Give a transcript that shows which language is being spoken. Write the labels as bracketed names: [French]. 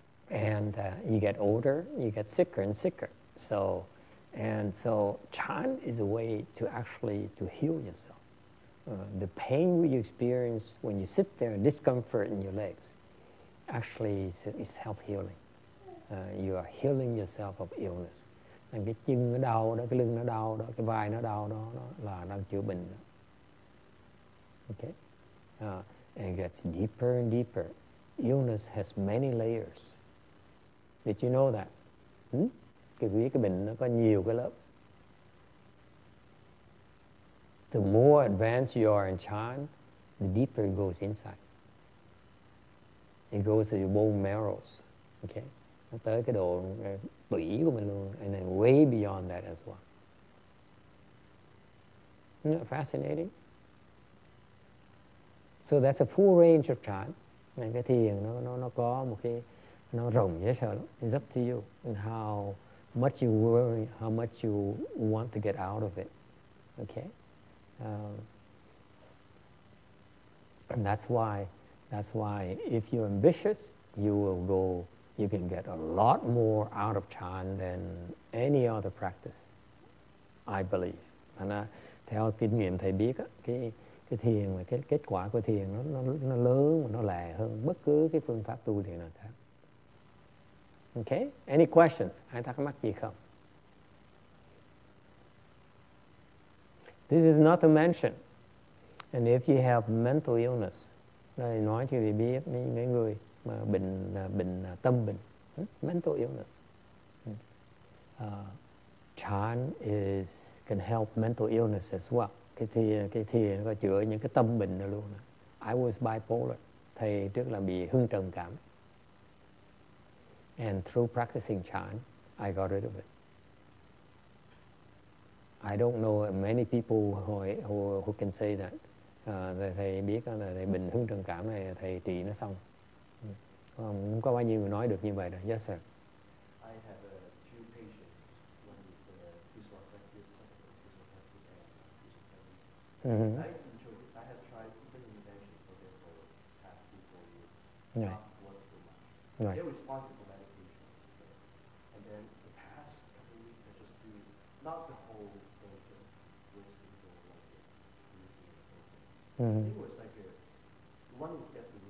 [English] And you get older, you get sicker and sicker. So chan is a way to actually to heal yourself. The pain you experience when you sit there, discomfort in your legs, actually is help healing. You are healing yourself of illness. [Vietnamese] Nên cái chân nó đau đó, cái lưng nó đau đó, cái vai nó đau đó, đó là đang chữa bệnh đó. [English] Okay? And it gets deeper and deeper. Illness has many layers. Did you know that? [Vietnamese] Cái bệnh nó có nhiều cái lớp. [English] The more advanced you are in chan, the deeper it goes inside. It goes to your bone marrows. Okay? [Vietnamese] Nó tới cái độ tủy của mình luôn. [English] And then way beyond that as well. Isn't that fascinating? So that's a full range of chan. [Vietnamese] Nên cái thiền nó có một cái nó rộng dễ sợ lắm. [English] It's up to you and how much you worry, how much you want to get out of it. Okay? And that's why if you're ambitious, you can get a lot more out of chan than any other practice, I believe. [Vietnamese] And theo kinh nghiệm thầy biết á, cái thiền và cái kết quả của thiền nó lớn và nó lẹ hơn bất cứ cái phương pháp tu thiền nào khác. [English] Okay? Any questions? [Vietnamese] Ai thắc mắc gì không? [English] This is not to mention. And if you have mental illness, [Vietnamese] đây nói cho thầy biết mấy người mà bệnh tâm bệnh, mental illness. [English] Chan can help mental illness as well. [Vietnamese] Cái thiền có chữa những cái tâm bệnh đó luôn. [English] I was bipolar. [Vietnamese] Thầy trước là bị hưng trầm cảm. [English] And through practicing chan, I got rid of it. I don't know many people who can say that. [Vietnamese] Thầy biết là thầy bệnh hưng trầm cảm này thầy trị nó xong. Không có bao nhiêu người nói được như vậy đâu. [English] Yes, sir. I have two patients. One is a schizoaffective, second is schizoaffective and schizoaffective. I can show this. I have tried different interventions for them for the past 3-4 years. Right. Not work so much. Right. They're responsible for medication. And then the past couple of weeks, I just do not the whole thing, just with simple, like it. One is definitely.